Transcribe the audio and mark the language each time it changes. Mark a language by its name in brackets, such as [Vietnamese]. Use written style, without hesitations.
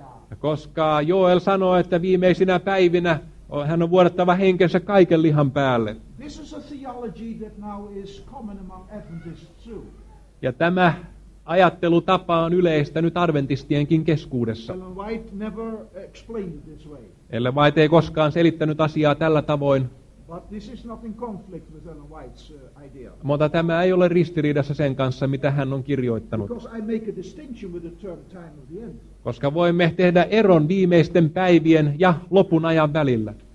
[Finnish] Ja koska Joel sanoo, että viimeisinä päivinä hän on vuodattava henkensä kaiken lihan päälle. [English] This is a theology that now is common among Adventists too. [Finnish] Ja tämä ajattelutapa on yleistä nyt adventistienkin keskuudessa. [English] Ellen White never explained it this way. [Finnish] Ellen White ei koskaan selittänyt asiaa tällä tavoin. [English] But this is not in conflict with Ellen White's idea. [Finnish] Mutta tämä ei ole ristiriidassa sen kanssa, mitä hän on kirjoittanut. [English] Because I make a distinction with the term time of the end. [Finnish] Koska voimme tehdä eron viimeisten päivien ja lopun ajan välillä.